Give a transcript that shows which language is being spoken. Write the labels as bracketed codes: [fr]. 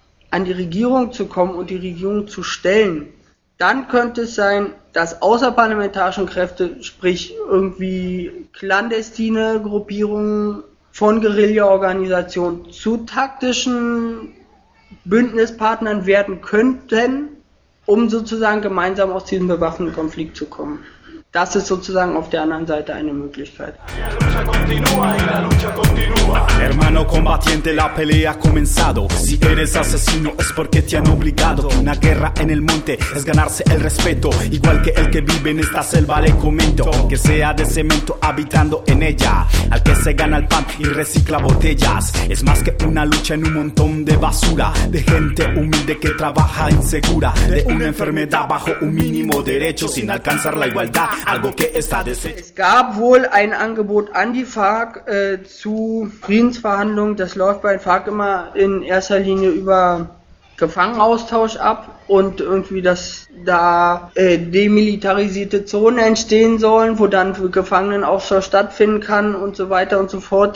[de] an die Regierung zu kommen und die Regierung zu stellen, dann könnte es sein, dass außerparlamentarische Kräfte, sprich irgendwie clandestine Gruppierungen von Guerilla-Organisationen zu taktischen Bündnispartnern werden könnten, um sozusagen gemeinsam aus diesem bewaffneten Konflikt zu kommen. Das ist sozusagen auf der anderen Seite eine Möglichkeit. [es] Hermano combatiente, la pelea ha comenzado. Si eres asesino es porque te han obligado. Una guerra en el monte es ganarse el respeto. Igual que el que vive en esta selva le comento. Que sea de cemento habitando en ella. Al que se gana el pan y recicla botellas. Es más que una lucha en un montón de basura. De gente humilde que trabaja insegura. De una enfermedad bajo un mínimo derecho. Sin alcanzar la igualdad, algo que está deshecho. [de] Es gab wohl ein Angebot an die FARC zu Friedensverhandlungen, das läuft bei FARC immer in erster Linie über Gefangenaustausch ab und irgendwie, dass da demilitarisierte Zonen entstehen sollen, wo dann Gefangenenaustausch stattfinden kann und so weiter und so fort.